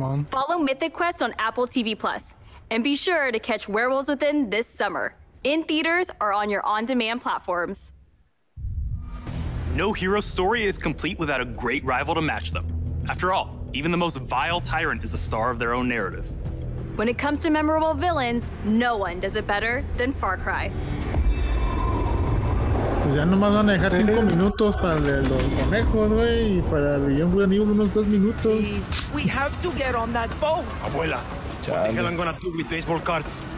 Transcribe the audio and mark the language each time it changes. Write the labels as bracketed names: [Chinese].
[English] Follow Mythic Quest on Apple TV Plus and be sure to catch Werewolves Within this summer in theaters or on your on-demand platforms. No hero story is complete without a great rival to match them. After all, even the most vile tyrant is a star of their own narrative. When it comes to memorable villains, no one does it better than Far Cry. [Spanish] Pues ya nomás van a dejar 5 minutos para los conejos, güey, y para el guión juvenil unos 2 minutos. [English] Please, we have to get on that boat. [Spanish] Abuela, chale. [English] What the hell I'm gonna do with baseball cards?